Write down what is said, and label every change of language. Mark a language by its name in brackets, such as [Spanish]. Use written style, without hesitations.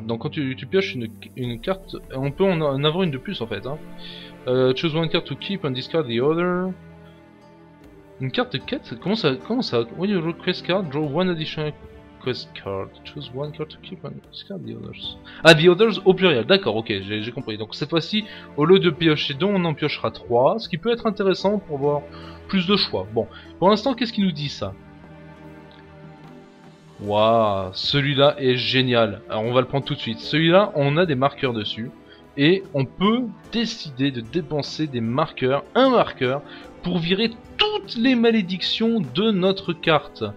[French] Donc, quand tu pioches une carte... On peut en avoir une de plus, en fait. Hein. [English] Choose one card to keep and discard the other. [French] Une carte de quête? Comment ça? [English] When you draw quest card, draw one additional quest card. Choose one card to keep and discard the others. [French] Ah, [English] the others [French] au pluriel. D'accord, ok, j'ai compris. Donc, cette fois-ci, au lieu de piocher deux, on en piochera trois. Ce qui peut être intéressant pour avoir plus de choix. Bon, pour l'instant, qu'est-ce qui nous dit, ça? Waouh, celui-là est génial. Alors, on va le prendre tout de suite. Celui-là, on a des marqueurs dessus. Et on peut décider de dépenser des marqueurs, un marqueur, pour virer toutes les malédictions de notre carte.